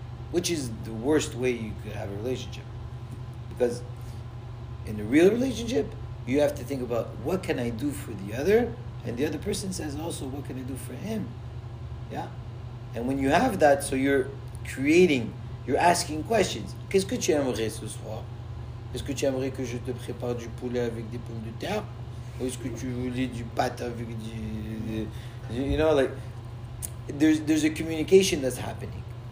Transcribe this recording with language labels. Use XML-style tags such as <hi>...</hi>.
<en>Which is the worst way you could have a relationship. Because in a real relationship, you have to think about what can I do for the other? And the other person says also, what can I do for him? Yeah? And when you have that, so you're creating, you're asking questions.</en> <fr>Qu'est-ce que tu aimerais ce soir? Est-ce que tu aimerais que je te prépare du poulet avec des pommes de terre? Ou est-ce que tu voulais du pâte avec du...</fr> <en>You know, like, there's a communication that's happening.</en>